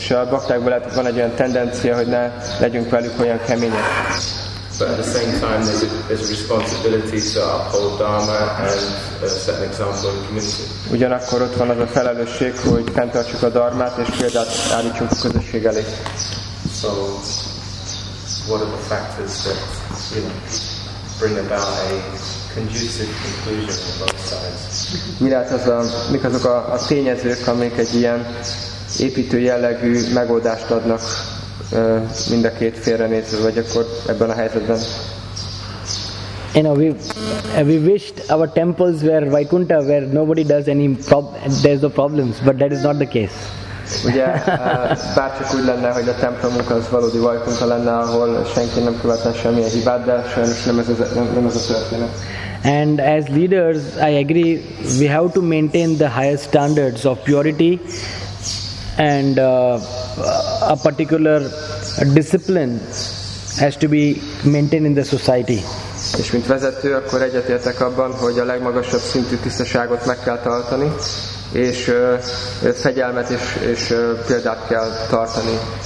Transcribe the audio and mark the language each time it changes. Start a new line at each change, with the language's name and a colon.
Hungarian: És a baktákban lehet, hogy van egy olyan tendencia, hogy ne legyünk velük olyan kemények.
English: But at the same time, there's a responsibility to uphold Dharma and set an example in the community.
Hungarian: Ugyanakkor ott van az a felelősség, hogy fenntartsuk a dharmát és példát állítsunk a közösség elé.
English: So, what are the factors that you know, bring about a conducive conclusion on both sides?
Hungarian: Mik azok a tényezők, amik egy ilyen építő jellegű megoldást adnak mind a két félre nézve, vagy akkor ebben a helyzetben.
English: You know, we wished our temples were Vaikuntha, where nobody does any there's no problems, but that is not the case.
Hungarian: Ugye, bárcsak úgy lenne, hogy a templomunk az valódi Vaikuntha lenne, ahol senki nem követne semmilyen hibát, de sajnos nem ez a történet.
English: And as leaders, I agree, we have to maintain the highest standards of purity and a particular discipline has to be maintained in the society.
Hungarian: És mint vezető, akkor egyetértek abban, hogy a legmagasabb szintű tisztaságot meg kell tartani, és fegyelmet és példát kell tartani.